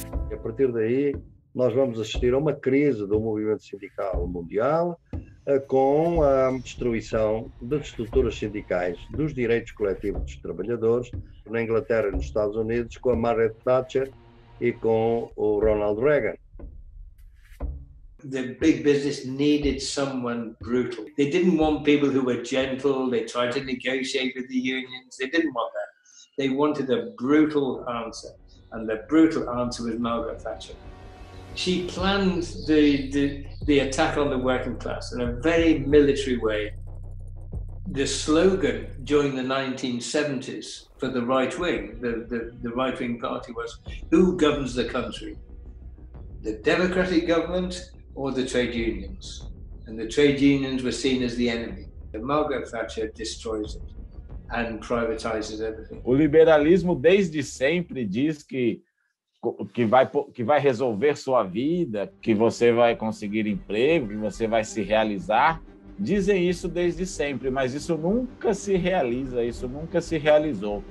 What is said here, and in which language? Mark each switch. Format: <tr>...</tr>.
<pt>A partir daí, nós vamos assistir a uma crise do movimento sindical mundial com a destruição das estruturas sindicais, dos direitos coletivos dos trabalhadores, na Inglaterra e nos Estados Unidos, com a Margaret Thatcher e com o Ronald Reagan.</pt> <en>The big business needed someone brutal. They didn't want people who were gentle, they tried to negotiate with the unions, they didn't want that. They wanted a brutal answer. And the brutal answer was Margaret Thatcher. She planned the attack on the working class in a very military way. The slogan during the 1970s for the right wing, the right wing party, was, who governs the country? The democratic government or the trade unions? And the trade unions were seen as the enemy. And Margaret Thatcher destroys it. And privatizes everything.</en> <pt>O liberalismo desde sempre diz que vai resolver sua vida, que você vai conseguir emprego, que você vai se realizar. Dizem isso desde sempre, mas isso nunca se realiza, isso nunca se realizou.</pt>